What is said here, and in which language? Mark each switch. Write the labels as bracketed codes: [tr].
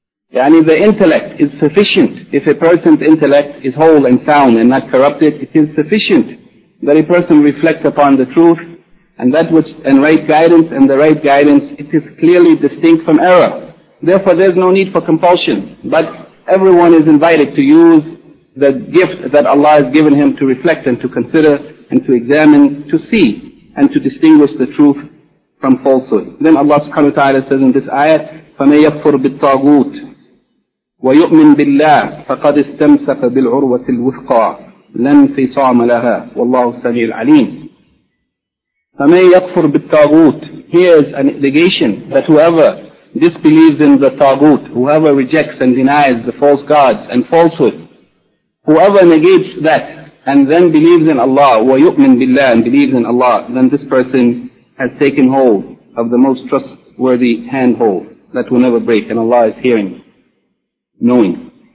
[en] Yani the intellect is sufficient. If a person's intellect is whole and sound and not corrupted, it is sufficient that a person reflects upon the truth and that which and right guidance, and the right guidance, it is clearly distinct from error. Therefore there is no need for compulsion, but everyone is invited to use the gift that Allah has given him to reflect and to consider and to examine, to see and to distinguish the truth from falsehood. Then Allah subhanahu wa ta'ala says in this ayat, [ar] فَمَنْ يَكْفُرْ بِالطَّاغُوتِ وَيُؤْمِنْ بِاللَّهِ فَقَدِ اسْتَمْسَكَ بِالْعُرْوَةِ الْوُثْقَى لَا انْفِصَامَ لَهَا وَاللَّهُ السَّمِيعُ الْعَلِيمُ. فَمَنْ يَكْفُرْ بِالطَّاغُوتِ, [en] here is an indication that whoever disbelieves in the tagut, whoever rejects and denies the false gods and falsehood, whoever negates that and then believes in Allah, [ar] وَيُؤْمِنْ بِاللَّهِ, [en] and believes in Allah, then this person has taken hold of the most trustworthy handhold that will never break, and Allah is hearing, knowing.